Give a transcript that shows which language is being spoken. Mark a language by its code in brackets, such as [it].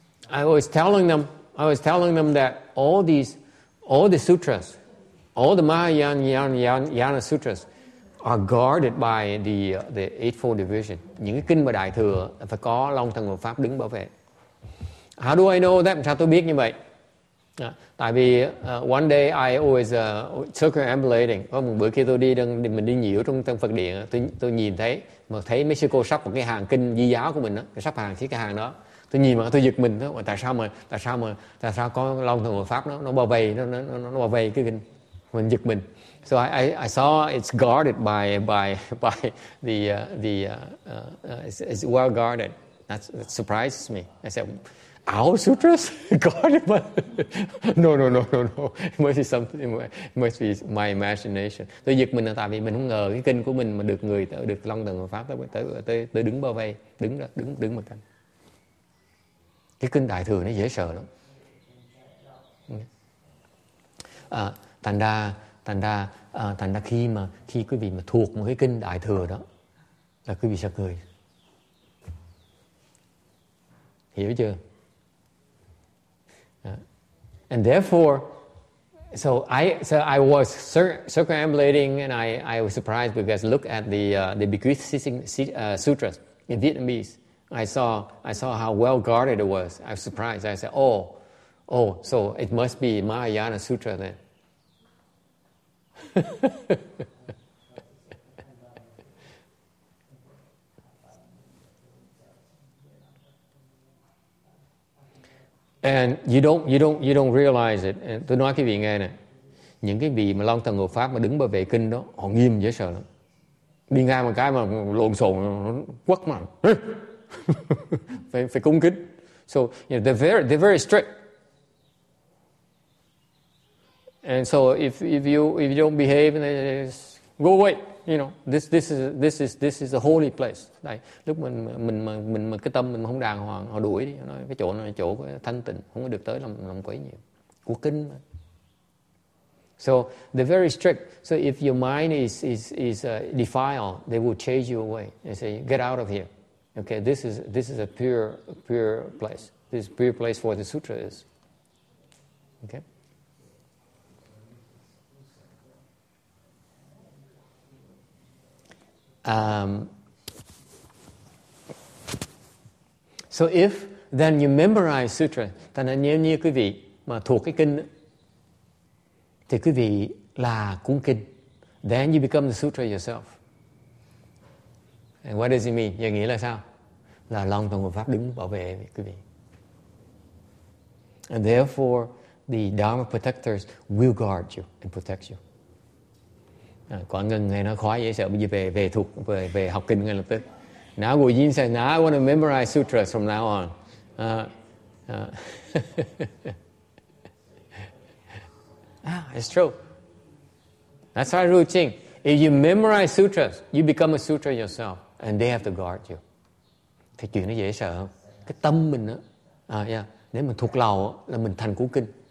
[en] I was telling them that all the sutras, all the Mahayana sutras are guarded by the Eightfold Division. [vi] Những cái kinh mà Đại Thừa phải có Long Thần Hộ Pháp đứng bảo vệ. [en] How do I know that? [vi] Sao tôi biết như vậy? Tại vì [en] one day I always circumambulating. [vi] Có một bữa kia tôi đi nhiễu trong Phật Điện, tôi nhìn thấy, mà thấy mấy sư cô sắp một cái hàng kinh di giáo của mình, đó, sắp hàng cái hàng đó. Tôi nhìn mà tôi giật mình, đó, tại sao có Long Thần Hộ Pháp nó bao vệ cái kinh. Mình giật mình. [en] So I saw it's guarded by it's well guarded. That surprises me. I said, our sutras guarded by no. It must be my imagination. [vi] Tôi giật mình là tại vì mình không ngờ cái kinh của mình mà được Long Thần Hộ Pháp tới đứng bao vây, đứng một cạnh. Cái kinh Đại Thừa nó dễ sợ lắm. Thành ra khi quý vị mà thuộc một cái kinh Đại Thừa đó là quý vị sẽ cười, hiểu chưa? [en] And therefore, so I was circumambulating and I was surprised because look at the Bequeathing Sutras in Vietnamese. I saw how well guarded it was. I was surprised. I said, oh, so it must be Mahayana Sutra then. And you don't realize it. And [vi] tôi nói cái vị nghe nè, những cái vị mà long thần hộ pháp mà đứng bảo vệ kinh đó, họ nghiêm dễ sợ lắm. Đi ngang một cái mà lộn xộn, quất mà phải cung kính. [en] So you know, they're very strict. And so if you don't behave, then go away. You know, this is a holy place. [vi] Đây, lúc mình mà cái tâm mình không đàng hoàng, họ đuổi đi. Nói cái chỗ này chỗ thanh tịnh, không có được tới làm quấy nhiều. Của kinh. Mà. [en] So they're very strict. So if your mind is defiled, they will chase you away and say, get out of here. Okay, this is a pure place. This pure place where the sutra is. Okay. So if then you memorize sutra, then [vi] nếu như quý vị mà thuộc cái kinh, thì quý vị là cuốn kinh. [en] Then you become the sutra yourself. And what does it mean? You [vi] nghĩ là sao? Là long thần hộ pháp đứng bảo vệ quý vị. [en] And therefore, the Dharma protectors will guard you and protect you. [vi] À, quả ngân nghe nó khói dễ sợ, bây giờ về học kinh ngay lập tức. [en] Now Guyin said, now I want to memorize sutras from now on. it's true. That's our routine. If you memorize sutras, you become a sutra yourself, and they have to guard you. [vi] Thì chuyện nó dễ sợ không? Cái tâm mình á, nếu mình thuộc lầu là mình thành cú kinh.